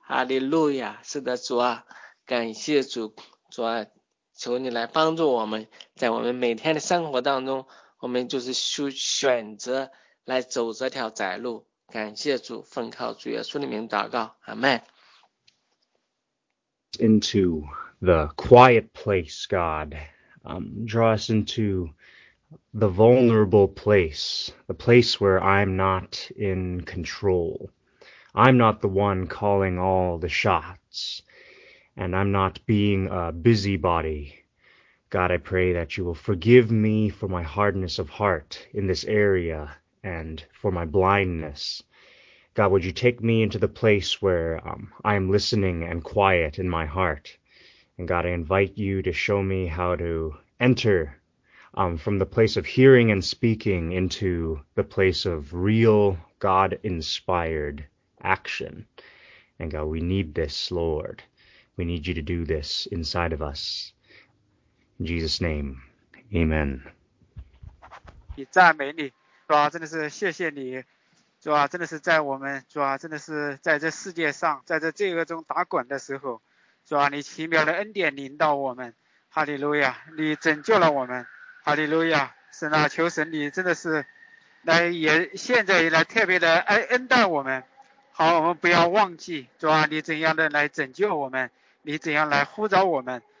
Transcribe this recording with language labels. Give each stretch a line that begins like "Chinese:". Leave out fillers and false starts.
Chinese: 哈利路亚，是的，主啊，感谢主。主啊，求你来帮助我们，在我们每天的生活当中，我们就是选择来走这条窄路。感谢主，奉靠主耶稣的名祷告，阿们。
English: Into the quiet place, God, draw us into the vulnerable place, the place where I'm not in control. I'm not the one calling all the shots, and I'm not being a busybody. God, I pray that you will forgive me for my hardness of heart in this area and for my blindness. God, would you take me into the place where I am listening and quiet in my heart? And God, I invite you to show me how to enter from the place of hearing and speaking into the place of real God-inspired action. And God, we need this, Lord. We need you to do this inside of us. In Jesus' name, Amen.
Chinese: 你赞美你，主啊，真的是谢谢你，主啊，真的是在我们，主啊，真的是在这世界上，在这罪恶中打滚的时候，主啊，你奇妙的恩典领导我们，哈利路亚，你拯救了我们，哈利路亚，神啊，求神你真的是来也现在也来特别的恩待我们，好，我们不要忘记，主啊，你怎样的来拯救我们，你怎样来呼召我们。